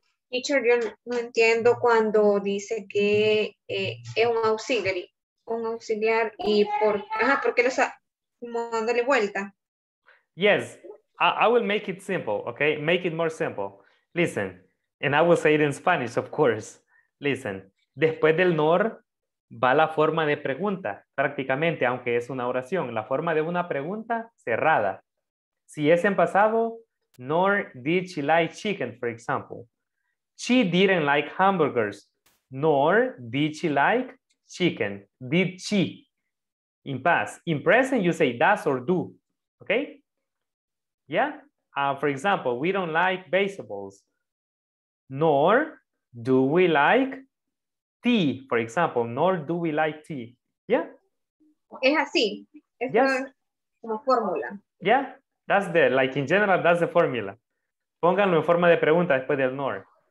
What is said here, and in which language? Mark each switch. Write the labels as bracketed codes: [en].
[es] Teacher, yo no entiendo cuando dice que es un auxiliary. Un auxiliar y por... Ajá, ¿por qué lo está dándole vuelta? [en] Yes, I will make it simple, okay? Make it more simple. Listen, and I will say it in Spanish, of course. Listen, [es] después del nor va la forma de pregunta, prácticamente, aunque es una oración, la forma de una pregunta cerrada. Si es en pasado, [en] nor did she like chicken, [es] for example. [en] She didn't like hamburgers, nor did she like chicken. Did she? In past. In present, you say does or do, okay? Yeah, for example, we don't like vegetables, nor do we like tea, for example, nor do we like tea. Yeah? [es] Es así. Es yes. Como fórmula. [en] Yeah, that's the, like in general, that's the formula. [es] Pónganlo en forma de pregunta después del nor.